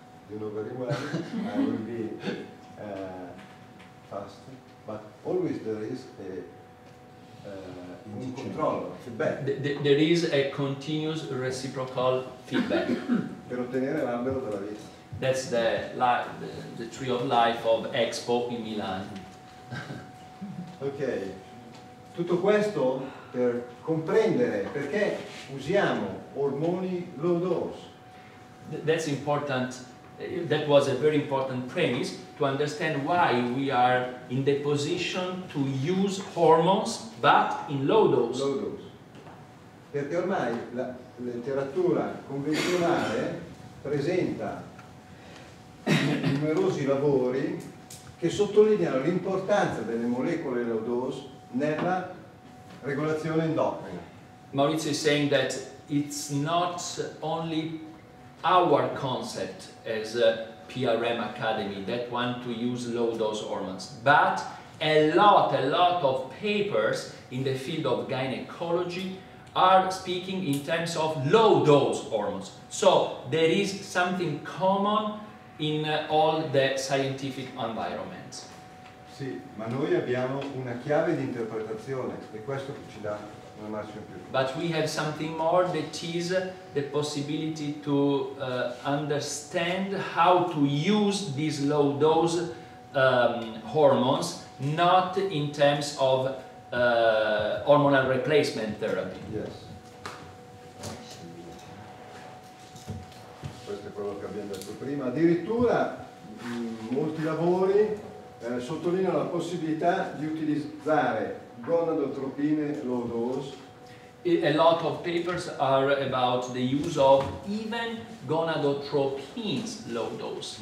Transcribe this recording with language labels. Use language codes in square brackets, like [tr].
[en] You know very well, I will be fast. But always there is a feedback. There is a continuous reciprocal feedback. [it] Per ottenere l'albero della vita. [en] That's the tree of life of Expo in Milan. Okay. [it] Tutto questo per comprendere perché usiamo ormoni low dose. [en] That's important. That was a very important premise to understand why we are in the position to use hormones, but in low dose. Low dose. [it] Perché ormai la letteratura convenzionale presenta numerosi lavori che sottolineano l'importanza delle molecole low dose nella regolazione endocrina. [en] Maurizio is saying that it's not only our concept as a PRM Academy that want to use low dose hormones, but a lot of papers in the field of gynecology are speaking in terms of low dose hormones. So there is something common in all the scientific environments. [it] Sì, ma noi abbiamo una chiave di interpretazione e questo ci dà. [en] But we have something more that is the possibility to understand how to use these low dose hormones, not in terms of hormonal replacement therapy. Yes. [it] Questo è quello che abbiamo detto prima. Addirittura molti lavori sottolineano la possibilità di utilizzare gonadotropine low dose. [en] A lot of papers are about the use of even gonadotropins low dose.